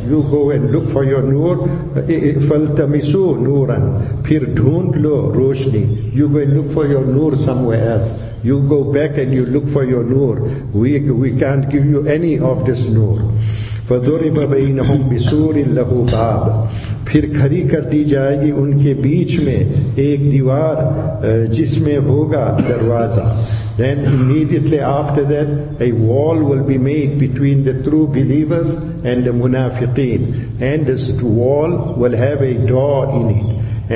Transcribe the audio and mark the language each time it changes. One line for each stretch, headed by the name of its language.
English: You go and look for your noor.
Arabic: Faltamisu nooran,
Urdu: phir dhund lo roshni.
English: You go and look for your noor somewhere else. You go back and you look for your noor. We can't give you any of this noor.
Arabic: فَدُرِبَ بَيْنَهُمْ بِسُورٍ لَهُ بَابٍ.
Urdu: پھر کھڑی کر دی جائے گی ان کے بیچ میں ایک دیوار جس میں ہوگا دروازہ.
English: Then immediately after that, a wall will be made between the true believers and the munafiqeen. And this wall will have a door in it.